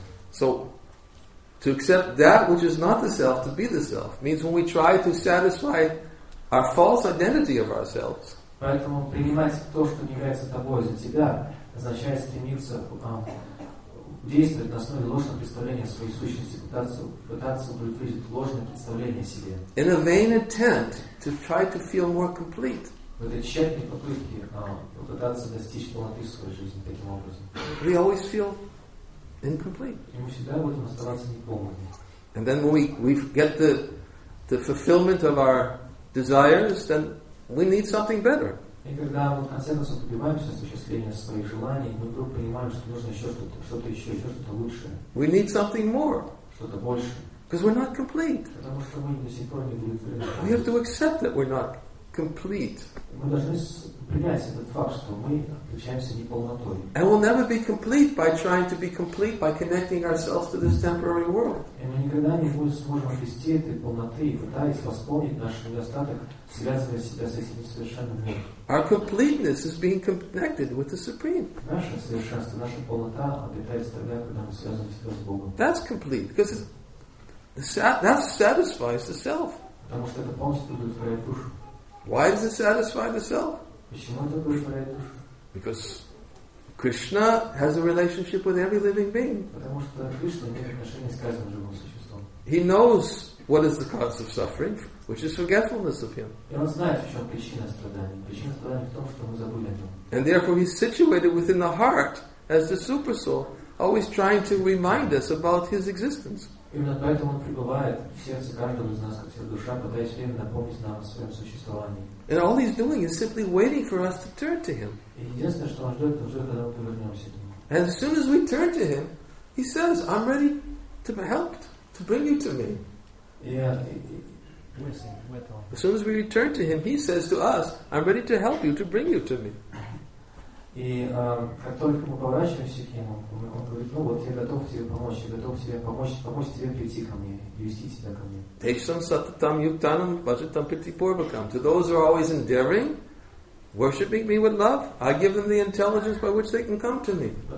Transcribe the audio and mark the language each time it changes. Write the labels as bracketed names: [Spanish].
[English] So to accept that which is not the self to be the self means when we try to satisfy our false identity of ourselves. [Russian] Поэтому принимать то, что не является тобой, за тебя, означает стремиться к действовать на основе ложного представления о своей сущности, пытаться удовлетворить ложное представление о себе. [English] In a vain attempt to try to feel more complete. [Russian] В этой тщетной попытке пытаться достичь полноты своей жизни таким образом. [English] We always feel incomplete. [Russian] И мы всегда будем оставаться неполными. [English] And then we get the fulfillment of our desires, then we need something better. [Russian] И когда мы в конце концов добиваемся осуществления своих желаний, мы вдруг понимаем, что нужно еще что-то еще, еще что-то лучшее. [English] We need something more. [Russian] Что-то большее. [English] Because we're not complete. [Russian] Потому что мы до сих пор не удовлетворены. [English] We have to accept that we're not complete. [Russian] Мы должны принять этот факт, что мы отличаемся неполнотой. [English] And we'll never be complete by trying to be complete by connecting ourselves to this temporary world. [Russian] И мы никогда не сможем обрести этой полноты, пытаясь восполнить наш недостаток, связывая себя с этим несовершенным миром. [English] Our completeness is being connected with the Supreme. [Russian] Наше совершенство, наша полнота обретается тогда, когда мы связываем себя с Богом. [English] That's complete, because that satisfies the self. [Russian] Потому что это полностью удовлетворяет душу. [English] Why does it satisfy the self? [Russian] Почему это удовлетворяет душу? [English] Because Krishna has a relationship with every living being. [Russian] Потому что Кришна имеет отношение с каждым живым существом. [English] He knows what is the cause of suffering, which is forgetfulness of Him. [Russian] И он знает, в чем причина страданий. Причина страданий в том, что мы забыли о нем. [English] And therefore he's situated within the heart as the super soul, always trying to remind us about his existence. [Russian] Именно поэтому он пребывает в сердце каждого из нас, как вся душа, пытаясь время напомнить нам о своем существовании. [English] And all he's doing is simply waiting for us to turn to him. [Russian] И единственное, что он ждет, это уже когда мы повернемся к нему. [English] And as soon as we turn to him, he says, I'm ready to help, to bring you to me. Yeah. As soon as we return to him, he says to us, I'm ready to help you, to bring you to me. [Russian] И как только мы поворачиваемся к нему, он говорит, ну вот, я готов тебе помочь тебе прийти ко мне, привести тебя ко мне. [Sanskrit] Тейшам сататам юктанам баджитам притипурвакам. [English] To those who are always endeavoring, worshipping me with love, I give them the intelligence by which they can come to me.